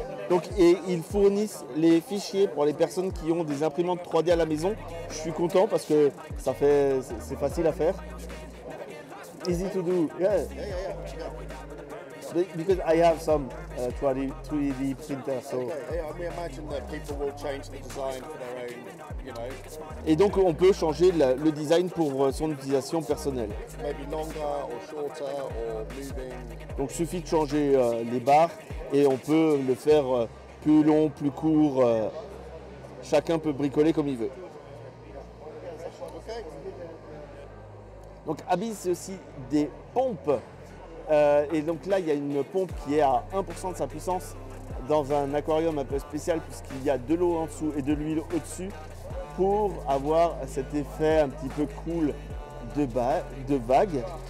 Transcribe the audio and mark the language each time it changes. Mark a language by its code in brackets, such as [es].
[fr] Donc et ils fournissent les fichiers pour les personnes qui ont des imprimantes 3D à la maison. Je suis content parce que ça fait, c'est facile à faire. [en] Easy to do, yeah. Because I have some 3D printer, so. Okay, yeah, and we imagine that people will change the design for their own, you know. [fr] Et donc on peut changer le design pour son utilisation personnelle. [en] Maybe longer or shorter or moving. [fr] Donc suffit de changer les barres et on peut le faire plus long, plus court. Chacun peut bricoler comme il veut. Donc Abyss, c'est aussi des pompes. Et donc là, il y a une pompe qui est à 1% de sa puissance dans un aquarium un peu spécial puisqu'il y a de l'eau en dessous et de l'huile au-dessus pour avoir cet effet un petit peu cool de vagues.